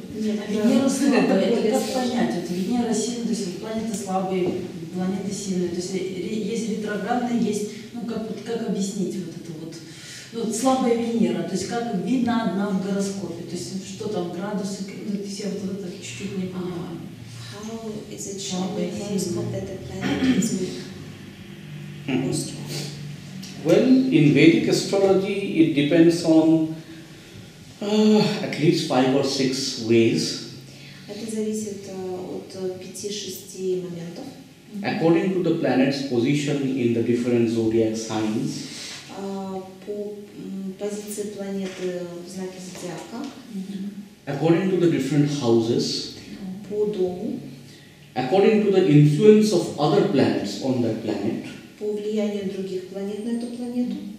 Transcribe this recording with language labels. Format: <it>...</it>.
<ru>Нет, а Венера слабая, это как понять? Это Венера сильная, то есть планеты слабые, планеты сильные. То есть есть ретроградные, есть, ну как объяснить вот это вот? Вот слабая Венера, то есть как видна одна в гороскопе? То есть что там, градусы, то есть я вот это чуть-чуть не понимаю.</ru> <en>How is it shown in horoscope that the planet is weak? Well, in Vedic astrology, it depends on at least 5 or 6 ways.</en> <ru>Это зависит от 5-6 моментов.</ru> <en>According to the planet's position in the different zodiac signs.</en> <ru>По позиции планеты в знаке зодиака.</ru> <en>According to the different houses.</en> <ru>По дому.</ru> <en>According to the influence of other planets on that planet.</en> <ru>По влиянию других планет на эту планету.</ru>